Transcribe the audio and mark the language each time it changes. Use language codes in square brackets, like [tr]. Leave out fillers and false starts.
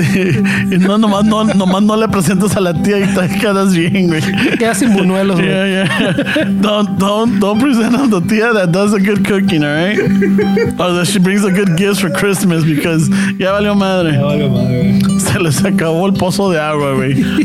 [es] y no le presentas a la tía y te quedas bien, güey. Quedas sin buñuelos, güey. [en] Yeah. Don't present a la tía that does a good cooking, all right? Or that she brings a good gift for Christmas because ya valió madre. [es] Se les acabó el pozo de agua, güey.